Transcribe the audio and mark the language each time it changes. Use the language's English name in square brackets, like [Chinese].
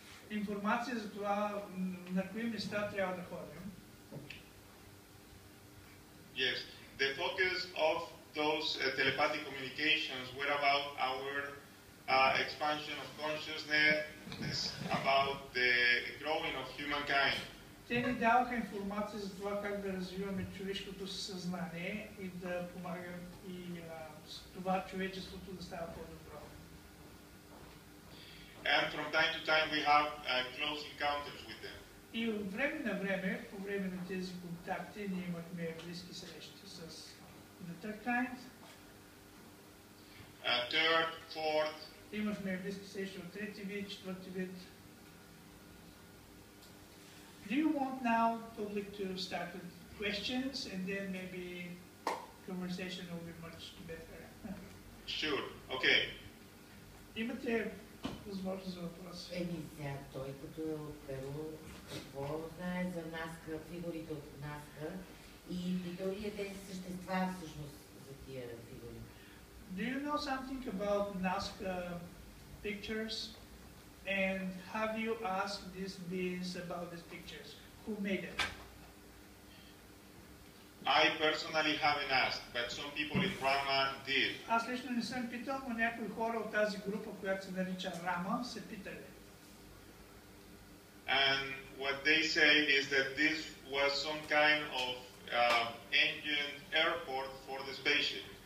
[Bulgarian] Информация за това на кои места трябва да ходим. [English] Yes, the focus of those telepathic communications were about our expansion of consciousness, about the growing of humankind. [Bulgarian] Те ни даваха информация за това как да развиваме човешкото съзнание и да помагам и това човечеството да става по-добро. [English] And from time to time we have close encounters with them. [Bulgarian] И от време на време, по време на тези контакти, ние имахме близки срещи с [English] the third kind. Third, fourth. [Bulgarian] Имахме близки срещи от трети вид, четвърти вид. [English] Do you want now public to start with questions and then maybe conversation will be much better? Sure. Okay. [Bulgarian] Имате възможност за въпроси. Еми сега, той като е от Перу, какво знае за Наска, фигурите от Наска и дори е тези същества всъщност за тия фигури? [English] Do you know something about Naska pictures? And have you asked these beings about these pictures? Who made them? I personally haven't asked, but some people in Rama did. [Bulgarian] Аз лично не съм питал, но някои хора от тази група, която се нарича Рама, се питали. [English] And what they say is that this was some kind of ancient airport for the spaceship.